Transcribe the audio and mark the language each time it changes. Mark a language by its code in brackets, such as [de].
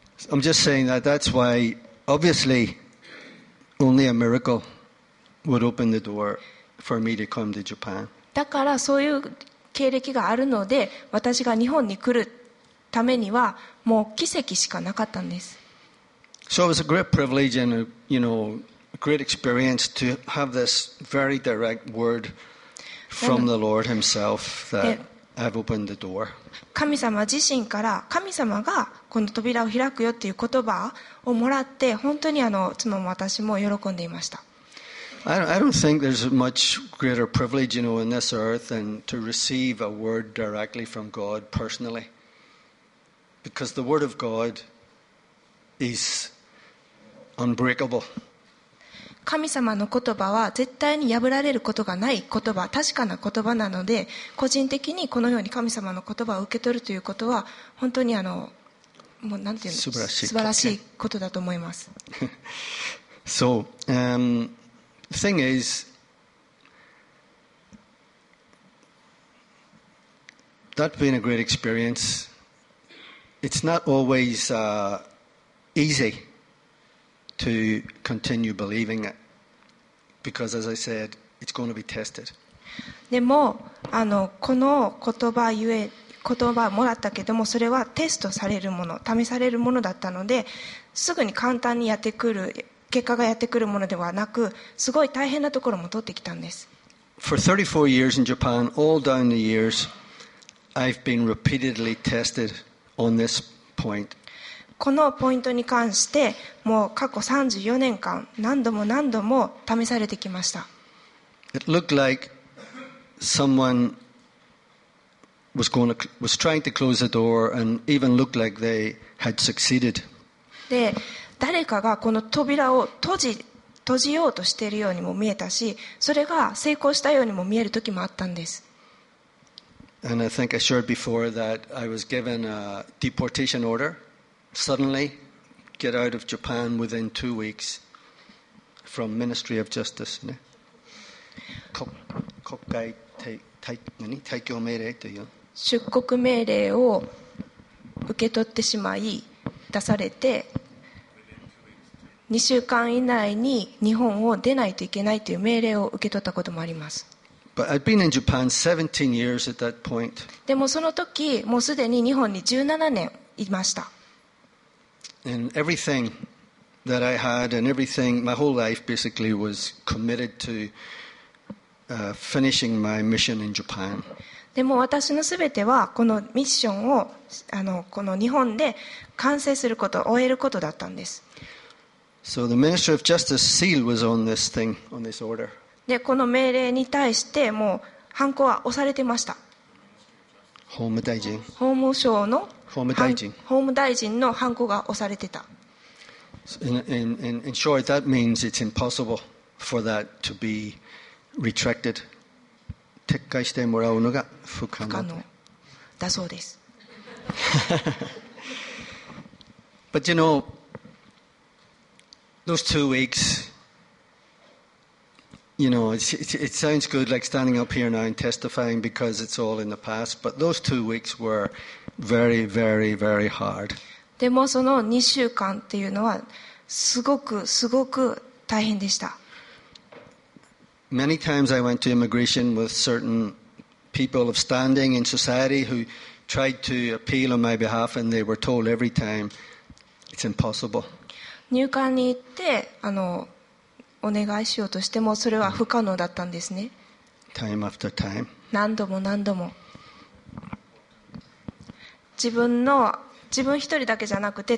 [en] I'm just saying that that's why obviously only a miracle would open the door for me to come to Japan. [ja] だからそういう経歴があるので、私が日本に来るためにはもう奇跡しかなかったんです。 [en] So it was a great privilege and a, you know, a great experience to have this very direct word from the Lord Himself that I've opened the door. [ja] 神様自身から、神様がこの扉を開くよっていう言葉をもらって、本当に妻も私も喜んでいました。 [en] I don't think there's much greater privilege, you know, in this earth than to receive a word directly from God personally. Because the word of God is unbreakable. [ja] 神様の言葉は絶対に破られることがない言葉、確かな言葉なので、個人的にこのように神様の言葉を受け取るということは本当にもうなんていうの、素晴らしいことだと思います。 [en] So, the thing is, that being a great experience, it's not always easy to continue believing it. Because as I said, it's going to be tested. [ja] でも、この言葉もらったけども、それはテストされるもの、試されるものだったので、すぐに簡単にやってくる、結果がやってくるものではなく、すごい大変なところも通ってきたんです。 [en] For 34 years in Japan, all down the years, I've been repeatedly tested on this point. [ja] このポイントに関してもう過去34年間何度も何度も試されてきました。 [en] It looked like someone was trying to close the door and even looked like they had succeeded. [ja] で、誰かがこの扉を閉じようとしているようにも見えたし、それが成功したようにも見える時もあったんです。 [en] And I think I shared before that I was given a deportation order. Suddenly, get out of Japan within 2 weeks from Ministry of Justice. [ja] ね、国会退去命令という。出国命令を受け取ってしまい、出されて、2週間以内に日本を出ないといけないという命令を受け取ったこともあります。 [en] But I'd been in Japan 17 years at that point. [ja] でもその時、もうすでに日本に17年いました。 [en] And everything that I had and everything, my whole life basically was committed to finishing my mission in Japan. [ja] でも私のすべてはこのミッションをこの日本で完成すること、終えることだったんです。 [en] So the Ministry of Justice seal was on this thing, on this order. [ja] で、この命令に対してもうハンコは押されてました。法務大臣。法務省の法務大臣。法務大臣のハンコが押されてた。 [en] In short, that means it's impossible for that to be retracted. [ja] 撤回してもらうのが不可能だそうです。 [en] But you know, those 2 weeks, you know, it sounds good like standing up here now and testifying because it's all in the past, but those 2 weeks were. Very, very, very hard. [ja] でもその2週間っていうのはすごくすごく大変でした。 [en] Many times I went to immigration with certain people of standing in society who tried to appeal on my behalf and they were told every time it's impossible. [ja] 入管に行ってお願いしようとしてもそれは不可能だったんですね。 [en] Time after time. [ja] 何度も何度も自分一人だけじゃなくて